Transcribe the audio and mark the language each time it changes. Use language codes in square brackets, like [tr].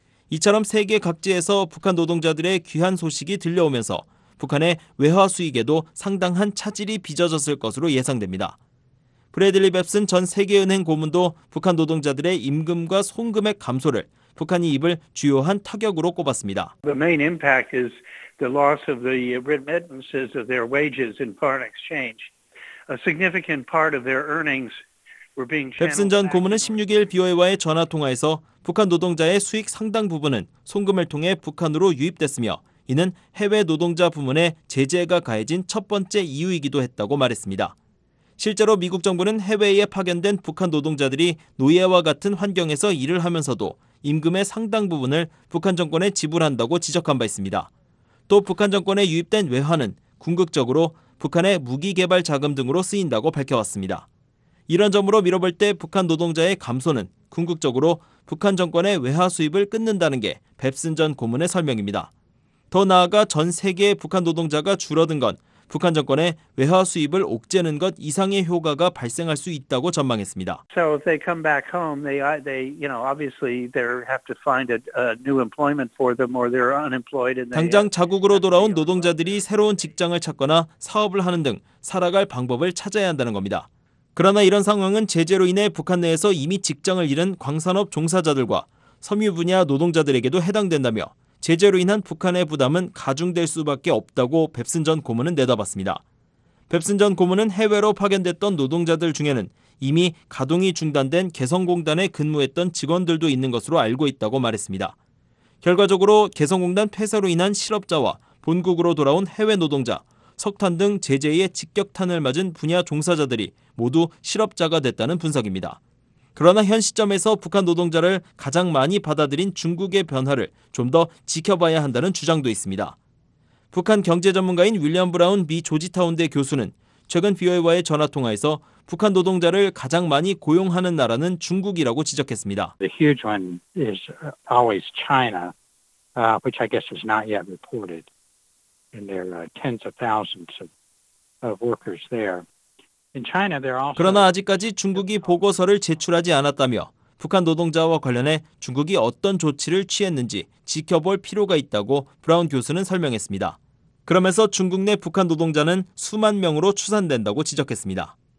[ko] 이처럼 세계 각지에서 북한 노동자들의 귀한 소식이 들려오면서 북한의 외화 수익에도 상당한 차질이 빚어졌을 것으로 예상됩니다. 브래들리 뱁슨 전 세계은행 고문도 북한 노동자들의 임금과 송금액 감소를 북한이 입을 주요한 타격으로 꼽았습니다. [en] The main impact is the loss of the remittances of their wages in foreign exchange. A significant part of their earnings [ko] 뱁슨 전 고문은 16일 BOA와의 전화통화에서 북한 노동자의 수익 상당 부분은 송금을 통해 북한으로 유입됐으며 이는 해외 노동자 부문에 제재가 가해진 첫 번째 이유이기도 했다고 말했습니다. 실제로 미국 정부는 해외에 파견된 북한 노동자들이 노예와 같은 환경에서 일을 하면서도 임금의 상당 부분을 북한 정권에 지불한다고 지적한 바 있습니다. 또 북한 정권에 유입된 외화는 궁극적으로 북한의 무기 개발 자금 등으로 쓰인다고 밝혀왔습니다. 이런 점으로 미뤄볼 때 북한 노동자의 감소는 궁극적으로 북한 정권의 외화 수입을 끊는다는 게 뱁슨 전 고문의 설명입니다. 더 나아가 전 세계의 북한 노동자가 줄어든 건 북한 정권의 외화 수입을 옥죄는 것 이상의 효과가 발생할 수 있다고 전망했습니다. [en] So if they come back home, they you know, obviously they have to find a new employment for them or they're unemployed and [ko] 당장 자국으로 돌아온 노동자들이 새로운 직장을 찾거나 사업을 하는 등 살아갈 방법을 찾아야 한다는 겁니다. 그러나 이런 상황은 제재로 인해 북한 내에서 이미 직장을 잃은 광산업 종사자들과 섬유 분야 노동자들에게도 해당된다며 제재로 인한 북한의 부담은 가중될 수밖에 없다고 뱁슨 전 고문은 내다봤습니다. 뱁슨 전 고문은 해외로 파견됐던 노동자들 중에는 이미 가동이 중단된 개성공단에 근무했던 직원들도 있는 것으로 알고 있다고 말했습니다. 결과적으로 개성공단 폐쇄로 인한 실업자와 본국으로 돌아온 해외 노동자, 석탄 등 제재에 직격탄을 맞은 분야 종사자들이 모두 실업자가 됐다는 분석입니다. 그러나 현 시점에서 북한 노동자를 가장 많이 받아들인 중국의 변화를 좀 더 지켜봐야 한다는 주장도 있습니다. 북한 경제 전문가인 윌리엄 브라운 미 조지타운대 교수는 최근 BOA와의 전화통화에서 북한 노동자를 가장 많이 고용하는 나라는 중국이라고 지적했습니다. [en] The huge one is always China, which I guess is not yet reported. And there are tens of thousands of workers there. In China, there are also. [ko] 그러나 아직까지 중국이 보고서를 제출하지 않았다며 북한 노동자와 관련해 중국이 어떤 조치를 취했는지 지켜볼 필요가 있다고 브라운 교수는 설명했습니다. 그러면서 중국 내 북한 노동자는 수만 명으로 추산된다고 지적했습니다.